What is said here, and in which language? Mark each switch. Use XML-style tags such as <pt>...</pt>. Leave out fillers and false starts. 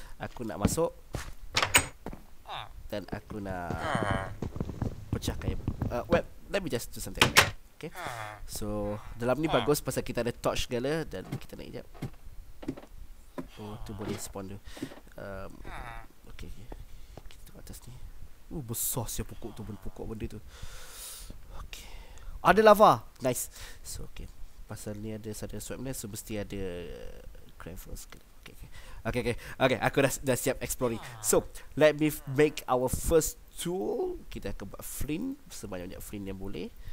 <ms>Aku nak masuk dan aku nak pecahkan.</ms> <en>Let me just do something.</en> <ms>Okay. So dalam ni bagus pasal kita ada torch gala. Dan kita nak hijab. Oh, tu boleh spawn tu. Okay. Kita tengok atas ni. Besar siap pokok tu, pokok benda tu. Okay, ada lava. Nice. So okay, pasal ni ada sudden swap ni, so mesti ada gravel sekali. Okay, aku dah siap exploring.</ms> <en>So let me make our first tool.</en> <ms>Kita akan buat flint, sebanyak-banyak flint yang boleh.</ms>